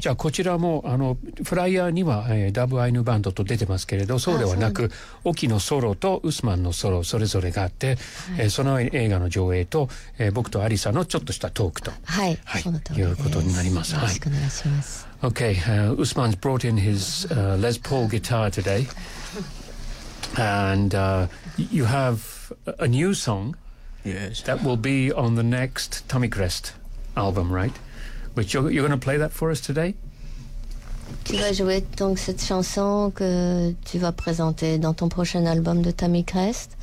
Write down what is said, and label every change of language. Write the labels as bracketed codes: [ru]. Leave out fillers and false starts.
[ja] じゃあこちらもあのフライヤーには、ダブアイヌバンドと出てますけれど、そうではなく沖のソロとウスマンのソロそれぞれがあって、はい、その映画の上映と、僕とアリサのちょっとしたトークと、はいはい、いうことになります。よろしくお願いします。はい、 [en] Okay, Usman's brought in his Les Paul guitar today. And you have a new song. Yes. That will be on the next Tommy Crest album, right? Which you're going to play that for us today? [fr] Tu vas jouer donc cette chanson que tu vas présenter dans ton prochain album de Tommy Crest?